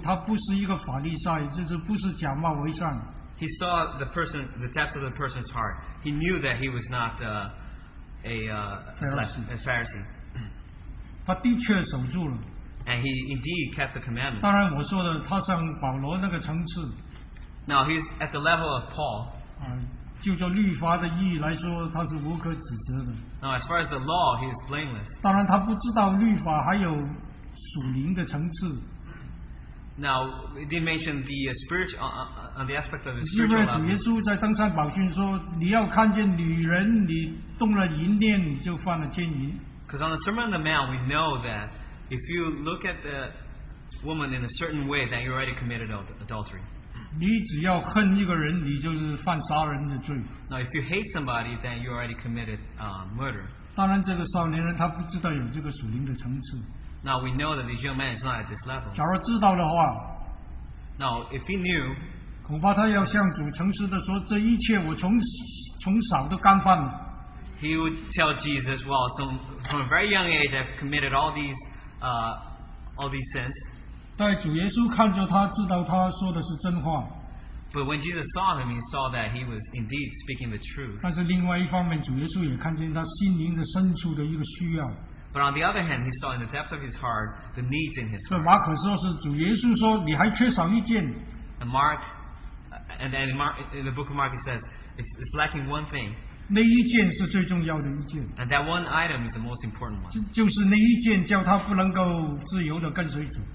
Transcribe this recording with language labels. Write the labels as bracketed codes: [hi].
[zh] 他看见这个人的深处,他不是一个法利赛,就是不是假冒为善。 [en] He saw the person, the depths of the person's heart. He knew that he was not a Pharisee. [zh] 他的确守住了。 [en] And he indeed kept the commandments. [zh] 当然我说的,他上保罗那个层次。 [en] Now he's at the level of Paul. [zh] 就着律法的意义来说,他是无可指责的。 [en] Now as far as the law, he is blameless. [zh] 当然他不知道律法还有 属灵的层次. [en] Now, it didn't mention the spiritual, on the aspect of the spiritual [zh] 因为主耶稣在登山宝训说, 你要看见女人, 你动了淫念, 你就犯了奸淫. [en] Because on the Sermon on the Mount, we know that if you look at the woman in a certain way, then you already committed adultery. [zh] 你只要恨一个人, 你就是犯杀人的罪. [en] Now, if you hate somebody, then you already committed murder. [zh] 当然这个少年人, 他不知道有这个属灵的层次. [en] Now we know that this young man is not at this level. [zh] 假如知道的话, [en] now if he knew, [zh] 恐怕他要向主诚实地说, 这一切我从小都干犯了。 [en] He would tell Jesus, well, from a very young age I've committed all these sins. [zh] 在主耶稣看着他，知道他说的是真话。 [en] But when Jesus saw him, he saw that he was indeed speaking the truth. [zh] 但是另外一方面，主耶稣也看见他心灵的深处的一个需要。 [en] But on the other hand, he saw in the depth of his heart the needs in his heart. [zh] 马可说是主耶稣说你还缺少一件。 [en] And in the book of Mark, he says it's lacking one thing. [zh] 那一件是最重要的一件。 [en] And that one item is the most important one. [zh] 就是那一件叫他不能够自由的跟随主。